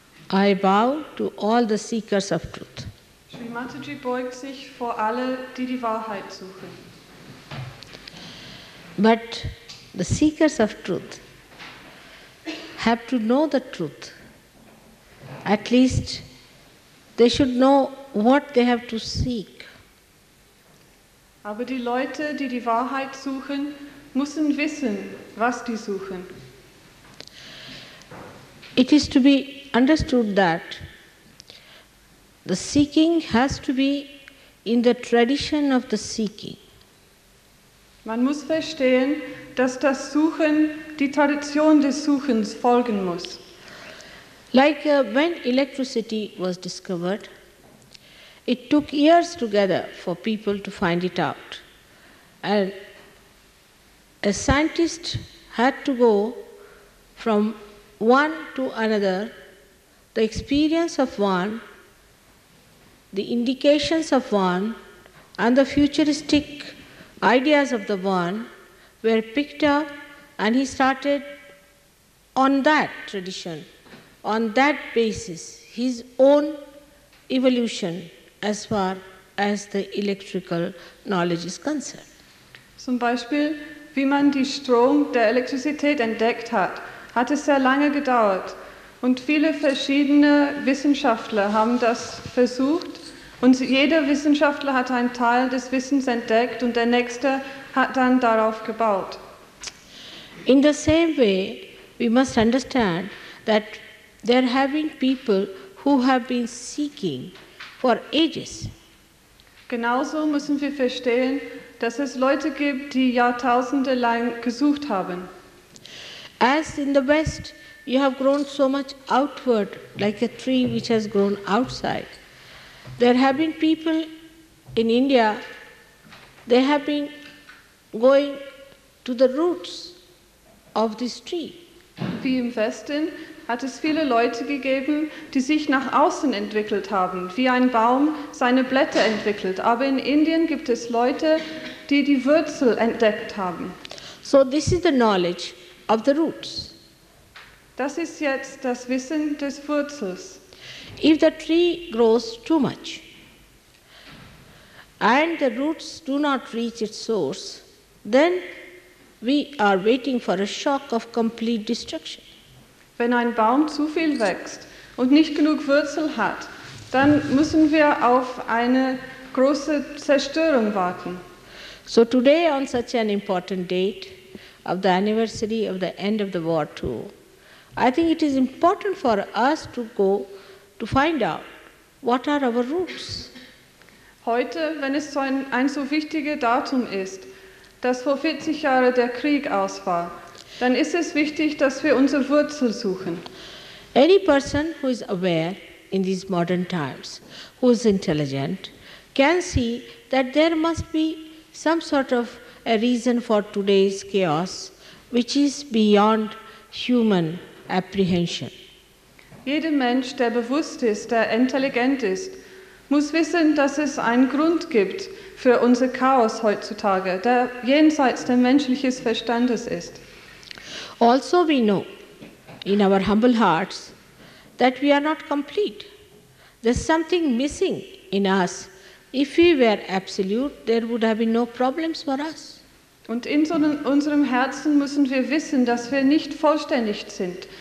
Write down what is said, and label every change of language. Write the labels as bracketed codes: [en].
[en] I bow to all the seekers of truth. [de] Sri Mataji beugt sich vor alle, die die Wahrheit suchen. [en] But the seekers of truth have to know the truth. At least they should know what they have to seek. [de] Aber die Leute, die die Wahrheit suchen, müssen wissen, was die suchen. [en] It is to be understood that the seeking has to be in the tradition of the seeking. [de] Man muss verstehen, dass das Suchen die Tradition des Suchens folgen muss. [en] Like when electricity was discovered, it took years together for people to find it out. And a scientist had to go from one to another, the experience of one, the indications of one, and the futuristic ideas of the one were picked up, and he started on that tradition, on that basis, his own evolution as far as the electrical knowledge is concerned. [de] Zum Beispiel, wie man die Strom der Elektrizität entdeckt hat, hat es sehr lange gedauert. Und viele verschiedene Wissenschaftler haben das versucht. Und jeder Wissenschaftler hat einen Teil des Wissens entdeckt und der nächste hat dann darauf gebaut. [en] In the same way, we must understand that there have been people who have been seeking for ages. [de] Genauso müssen wir verstehen, dass es Leute gibt, die Jahrtausende lang gesucht haben. [en] As in the West, you have grown so much outward, like a tree which has grown outside. There have been people in India, they have been going to the roots of this tree. [de] Wie im Westen hat es viele Leute gegeben, die sich nach außen entwickelt haben, wie ein Baum seine Blätter entwickelt. Aber in Indien gibt es Leute, die die Wurzel entdeckt haben. [en] So this is the knowledge of the roots. [de] Das ist jetzt das Wissen des Wurzels. [en] If the tree grows too much and the roots do not reach its source, then we are waiting for a shock of complete destruction. [de] Wenn ein Baum zu viel wächst und nicht genug Wurzel hat, dann müssen wir auf eine große Zerstörung warten. [en] So today, on such an important date of the anniversary of the end of the war too, I think it is important for us to go to find out what are our roots. [de] Heute, wenn es so ein so wichtiges Datum ist, dass vor 40 Jahren der Krieg aus war, dann ist es wichtig, dass wir unsere Wurzel suchen. [en] Any person who is aware in these modern times, who is intelligent, can see that there must be some sort of a reason for today's chaos, which is beyond human apprehension. [de] Jeder Mensch, der bewusst ist, der intelligent ist, muss wissen, dass es einen Grund gibt für unser Chaos heutzutage, der jenseits des menschlichen Verstandes ist. [en] Also we know in our humble hearts that we are not complete. There's something missing in us. If we were absolute, there would have been no problems for us. [de] Und in unserem Herzen müssen wir wissen, dass wir nicht vollständig sind.